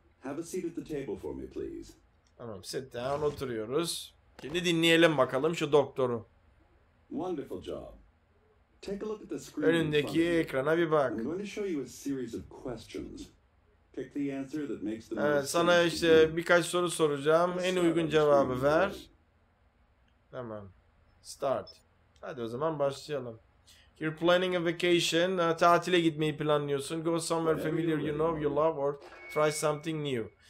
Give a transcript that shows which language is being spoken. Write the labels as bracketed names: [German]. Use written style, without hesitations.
[English] Have a seat at the table for me, please. [Turkish] Tamam, [English] sit down, [Turkish] oturuyoruz. Şimdi dinleyelim bakalım şu doktoru. [English] Wonderful job. Take a look at the [Turkish] screen. Önündeki ekrana bir bak. [English] I'm going to show you a series of questions. Pick the answer that makes the most [Turkish] sense. Evet, sana işte birkaç soru soracağım. En uygun cevabı ver. Tamam. Start. Hadi o zaman başlayalım. [English] You're planning a vacation. [Turkish] Tatile gitmeyi planlıyorsun. [English] Go somewhere familiar you know you love or try something new.